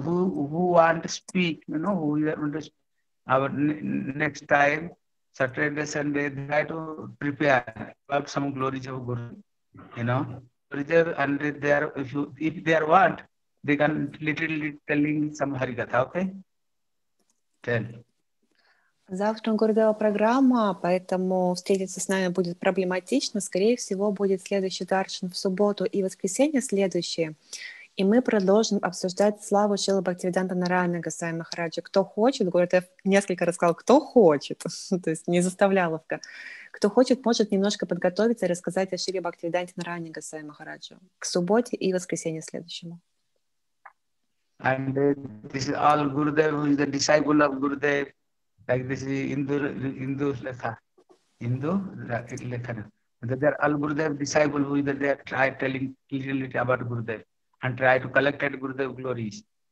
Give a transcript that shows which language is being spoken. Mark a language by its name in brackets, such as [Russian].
[English] Who want to speak, you know, who want to speak. Our next time, Saturday, Sunday, try to prepare about some glories of Guru, you know. Gurudev, and if they are want, they can literally telling some Harikatha, okay? Tell. [Russian] Завтра Гурудева программа, поэтому встретиться с нами будет проблематично. Скорее всего, будет следующий даршан в субботу и воскресенье следующее. И мы продолжим обсуждать славу Шрилы Бхактивиданты Нараяны Госвами Махараджи. Кто хочет, Гурудев несколько раз сказал, кто хочет, то есть не заставляловка. Кто хочет, может немножко подготовиться и рассказать о Шриле Бхактивиданте Нараяне Госвами Махараджи к субботе и воскресенье следующему. [English] And this is all Gurudev, who is the disciple of Gurudev. Like this is Hindu Lekha. Hindu Lekha. They are all Gurudev disciples who are telling clearly about Gurudev and try to collect at Gurudev glories.